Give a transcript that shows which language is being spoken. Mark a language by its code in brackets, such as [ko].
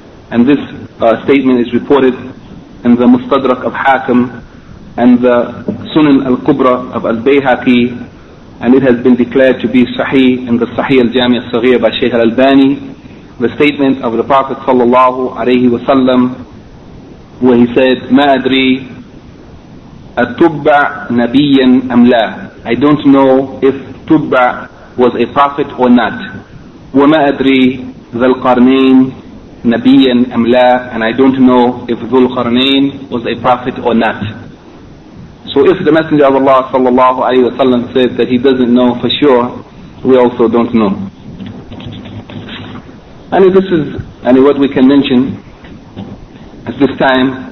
[en] and this statement is reported in the Mustadrak of Hakim and the Sunan al-Kubra of al-Bayhaqi, and it has been declared to be sahih in the Sahih al-Jami' al-Saghir by Shaykh al-Albani, the statement of the Prophet sallallahu alayhi wa sallam, where he said, [ar] ما أدري أتبع نبيا أم لا, [en] I don't know if تبع was a prophet or not. [ar] وما أدري ذو القرنين نبيا أم لا. [en] And I don't know if ذو القرنين was a prophet or not. So if the Messenger of Allah [ar] صلى الله عليه وسلم [en] said that he doesn't know for sure, we also don't know. And this is what we can mention at this time.